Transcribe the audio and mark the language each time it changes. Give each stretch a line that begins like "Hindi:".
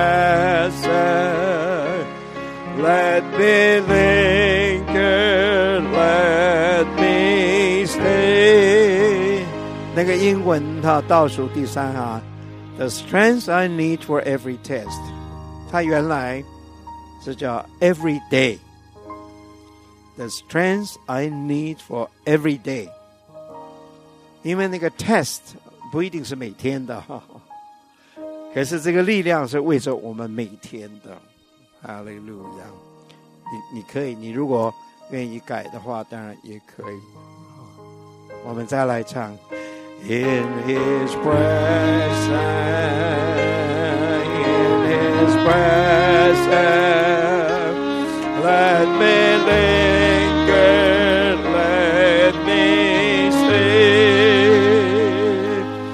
English: present. Let me linger, let me stay.
Chinese: 那个英文它倒数第三啊，
English: The strength I need for every test.
Chinese: 它原来是叫
English: every day. The strength I need for every day.
Chinese: 因为那个 test 不一定是每天的哈，可是这个力量是为着我们每天的。哈利路亚，你可以，你如果愿意改的话，当然也可以。我们再来唱。
English: In His presence, in His presence, let me linger, let me stay.